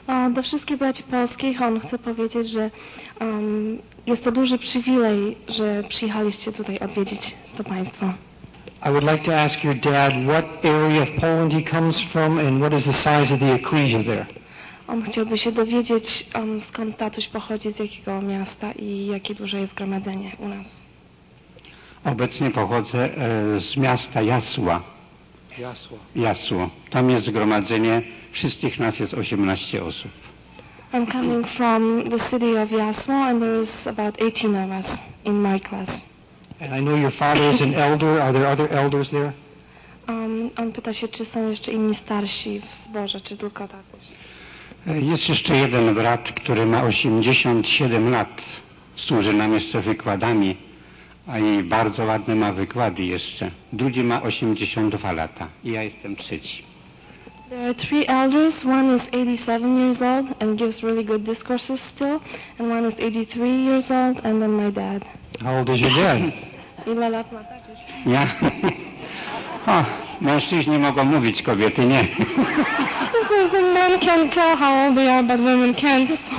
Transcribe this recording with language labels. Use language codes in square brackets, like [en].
[pl] Do wszystkich braci polskich, on chce powiedzieć, że jest to duży przywilej, że przyjechaliście tutaj odwiedzić to państwo. [en] I would like to ask your dad what area of Poland he comes from and what is the size of the ecclesia there. [pl] On chciałby się dowiedzieć, skąd tatuś pochodzi, z jakiego miasta i jakie duże jest gromadzenie u nas. Obecnie pochodzę z miasta Jasła. Jasło. Jasło. Tam jest zgromadzenie, wszystkich nas jest 18 osób. [en] I'm coming from the city of Jasło and there is about 18 of us in my class. And I know your father is an elder. Are there other elders there? [pl] On pyta się, czy są jeszcze inni starsi w zborze, czy tylko tatuś. Jest jeszcze jeden brat, który ma 87 lat. Służy nam jeszcze wykładami. A i bardzo ładne ma wykłady jeszcze. Drugi ma 82 lata. I ja jestem trzeci. [en] There are three elders. One is 87 years old and gives really good discourses still. And one is 83 years old and then my dad. How old is your dad? [pl] Ile lat ma tatuś? Ja? O, mężczyźni mogą mówić, kobiety nie. [en] So the men can tell how old they are, but women can't.